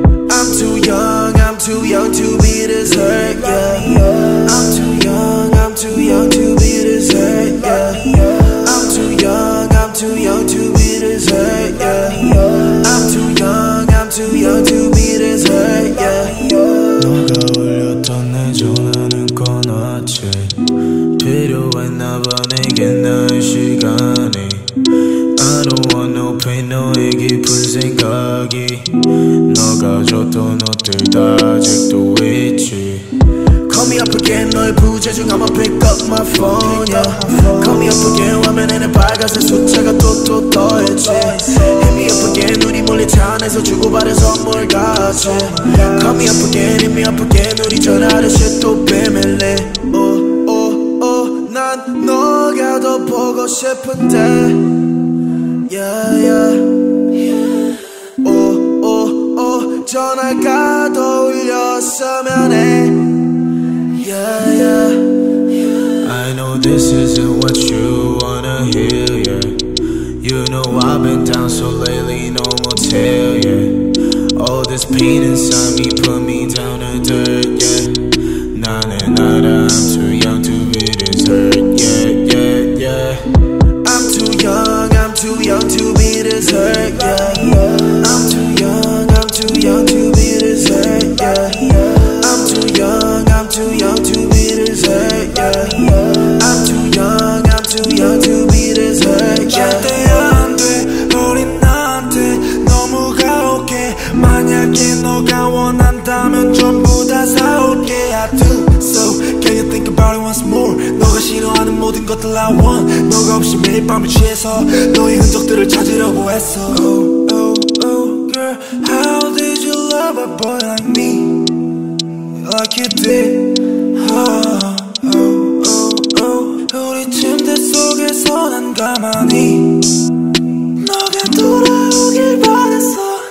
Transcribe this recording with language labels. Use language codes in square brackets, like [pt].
[en] I'm too young to be this hurt. Yeah, I'm too young to be this hurt. Yeah, I'm too young to be this hurt. Yeah, I'm too young to be this hurt. Yeah, [ko] 누가 울렸던 내 전화는 꺼놨지. 필요했나 봐 내게 나의 시간이. [en] I don't want no pain, [ko] 너의 깊은 생각이. 너가 줬던 옷들 다 아직도 있지. [en] Call me up again, [ko] 너의 부재 중 [en] I'ma pick up my phone, yeah. Call me up again, [ko] 화면에는 빨간색 숫자가 또 떠있지. [en] Hit me up again, [ko] 우리 멀리 차안에서 주고받은 선물 같이. [en] Call me up again, hit me up again, [ko] 우리 전화를 [en] shit [ko] 또 비밀리. 난 너가 더 보고 싶은데. Yeah, yeah. Oh, oh, oh. 전화가 더 울렸으면 해. Yeah, yeah. [en] I know this isn't what you wanna hear, yeah. You know I've been down so lately, no more tear, yeah. All this pain inside me put me down in dirt, yeah. [ko] 나는 나라, [en] I'm too young to be this hurt, yeah, yeah, yeah. I'm too young. I'm too young to be this hurt, yeah. I'm too young to be this hurt, yeah. I'm too young to be this hurt, yeah. I'm too young to be this hurt, yeah. [ko] 절대 안 돼, 우린 안 돼, 너무 가혹해. 만약에 너가 원한다면 전부 다 사올게. [en] I do so, can you think about it once more? [ko] 너가 싫어하는 모든 것들 [en] I want. [ko] 너가 없이 매일 밤을 취해서 너의 흔적들을 찾으려고 했어. [en] Oh, oh, oh, girl, how did you love a boy like me? Like you did. Oh, oh, oh, oh. [ko] 우리 침대 속에서 난 가만히 너가 돌아오길 바랬어.